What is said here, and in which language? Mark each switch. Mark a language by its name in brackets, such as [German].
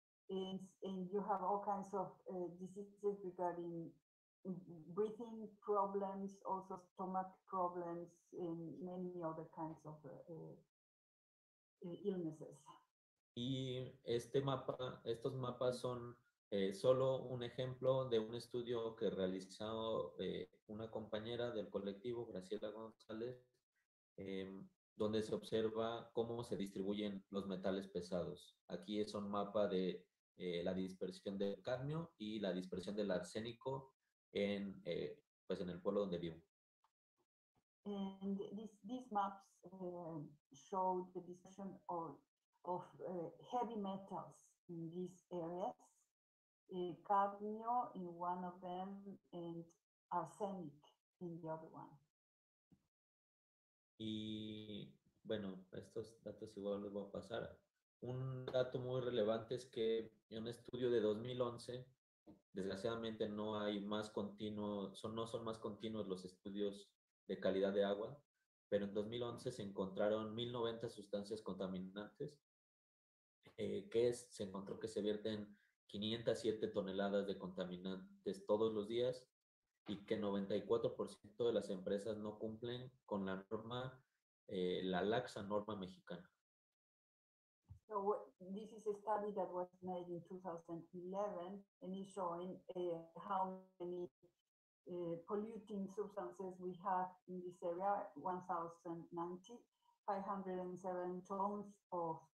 [English] And you have all kinds of diseases regarding breathing problems, also stomach problems, and many other kinds of illnesses. [Spanish] Y este mapa, estos mapas son Solo un ejemplo de un estudio que realizó una compañera del colectivo, Graciela González, donde se observa cómo se distribuyen los metales pesados. Aquí es un mapa de la dispersión del cadmio y la dispersión del arsénico en, pues en el pueblo donde vivo. [English] And these maps show the dispersion of heavy metals in these areas, cadmio in one of them and arsenic in the other one. [Spanish] Y bueno, estos datos igual los voy a pasar. Un dato muy relevante es que en un estudio de 2011, desgraciadamente no hay más continuo, no son más continuos los estudios de calidad de agua, pero en 2011 se encontraron 1090 sustancias contaminantes, se encontró que se vierten 507 toneladas de contaminantes todos los días y que 94% de las empresas no cumplen con la norma, la laxa norma mexicana. [English] So this is a study that was made in 2011 and is showing how many polluting substances we have in this area, 1,507 tons of